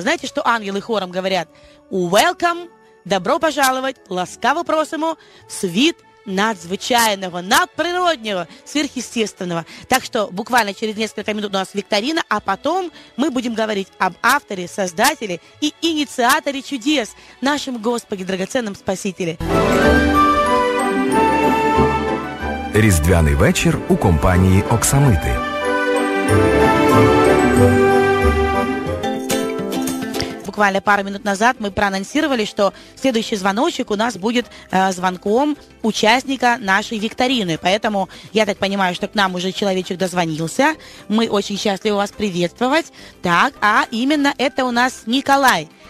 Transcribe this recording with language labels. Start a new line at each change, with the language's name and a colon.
Russian: Знаете, что ангелы хором говорят?
English: Welcome,
Russian: добро пожаловать,
Ukrainian: ласкаво просимо, свит надзвичайного, надприроднего,
Russian: сверхъестественного. Так что буквально через несколько минут у нас викторина, а потом мы будем говорить об авторе, создателе и инициаторе чудес, нашем Господе, драгоценном Спасителе.
Ukrainian: Різдвяний вечір у компанії Оксамити.
Russian: буквально пару минут назад мы проанонсировали, что следующий звоночек у нас будет звонком участника нашей викторины. Поэтому я так понимаю, что к нам уже человечек дозвонился. Мы очень счастливы вас приветствовать. Так, а именно это у нас Николай.